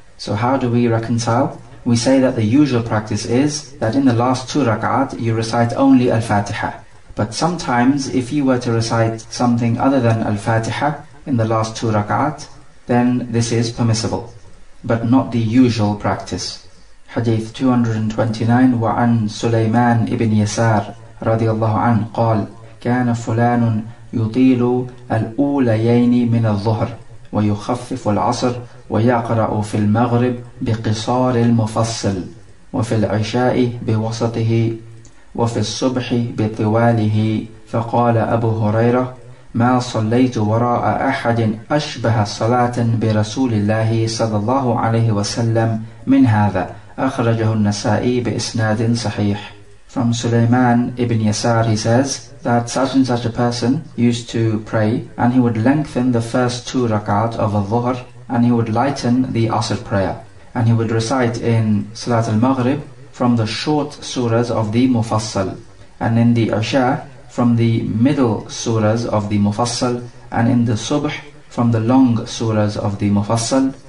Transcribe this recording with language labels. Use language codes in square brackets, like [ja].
[en] So how do we reconcile? We say that the usual practice is that in the last two rak'at, you recite only Al-Fatiha. But sometimes, if you were to recite something other than Al-Fatiha in the last two rak'at, then this is permissible, but not the usual practice. Hadith 229, [ar] وعن سليمان ابن يسار رضي الله عنه قال كان فلان يطيل الأوليين من الظهر ويخفف العصر ويقرأ في المغرب بقصار المفصل وفي العشاء بوسطه وفي الصبح بطواله فقال أبو هريرة ما صليت وراء أحد أشبه صلاة برسول الله صلى الله عليه وسلم من هذا أخرجه النسائي بإسناد صحيح. [en] From Sulaiman ibn Yasar, he says that such and such a person used to pray, and he would lengthen the first two rak'at of al-Dhuhr, and he would lighten the Asr prayer, and he would recite in Salat al-Maghrib from the short surahs of the Mufassal, and in the Isha from the middle surahs of the Mufassal, and in the Subh from the long surahs of the Mufassal.